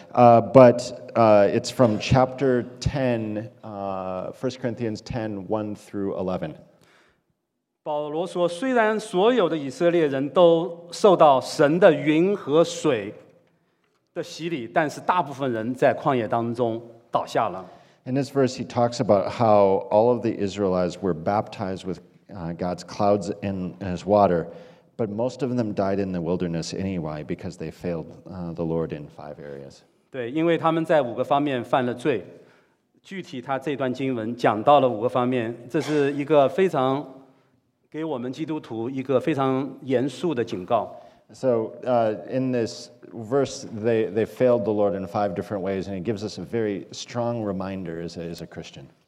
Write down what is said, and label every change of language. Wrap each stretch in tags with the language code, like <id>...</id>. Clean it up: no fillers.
<en>It's from chapter 10, 1 Corinthians 10, 1 through 11.</en> <zh>保罗说，虽然所有的以色列人都受到神的云和水的洗礼，但是大部分人在旷野当中倒下了。</zh> <en>In this verse, he talks about how all of the Israelites were baptized with God's clouds and his water, but most of them died in the wilderness anyway because they failed the Lord in 5 areas.</en> <zh>对，因为他们在五个方面犯了罪。具体他这段经文讲到了五个方面，这是一个非常给我们基督徒一个非常严肃的警告。</zh> <en>So, in this verse, they failed the Lord in 5 different ways, and it gives us a very strong reminder as a Christian.</en>